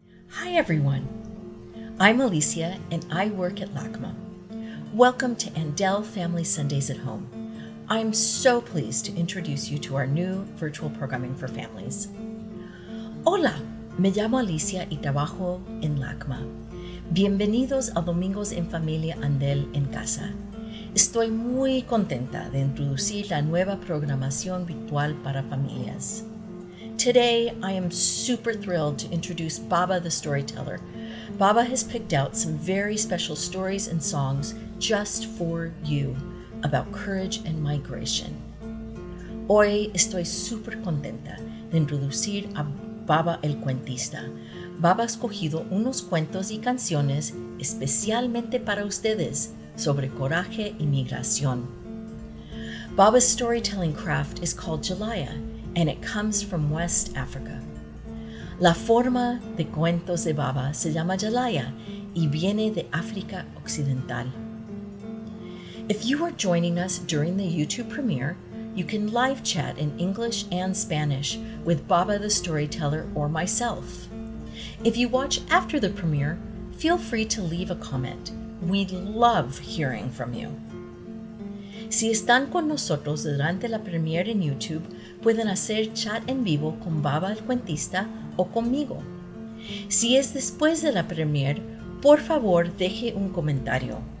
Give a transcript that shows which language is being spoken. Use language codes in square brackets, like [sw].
[en] Hi everyone, I'm Alicia and I work at LACMA. Welcome to Andell Family Sundays at Home. I'm so pleased to introduce you to our new virtual programming for families. [es] Hola, me llamo Alicia y trabajo en LACMA. Bienvenidos a Domingos en Familia Andell en Casa. Estoy muy contenta de introducir la nueva programación virtual para familias. [en] Today, I am super thrilled to introduce Baba the Storyteller. Baba has picked out some very special stories and songs just for you about courage and migration. [es] Hoy estoy super contenta de introducir a Baba el Cuentista. Baba ha escogido unos cuentos y canciones especialmente para ustedes sobre coraje y migración. [en] Baba's storytelling craft is called Jaliyaa, and it comes from West Africa. [es] La forma de cuentos de Baba se llama Jaliyaa y viene de África Occidental. [en] If you are joining us during the YouTube premiere, you can live chat in English and Spanish with Baba the Storyteller or myself. If you watch after the premiere, feel free to leave a comment. We'd love hearing from you. [es] Si están con nosotros durante la premiere en YouTube, pueden hacer chat en vivo con Baba el Cuentista o conmigo. Si es después de la premiere, por favor deje un comentario.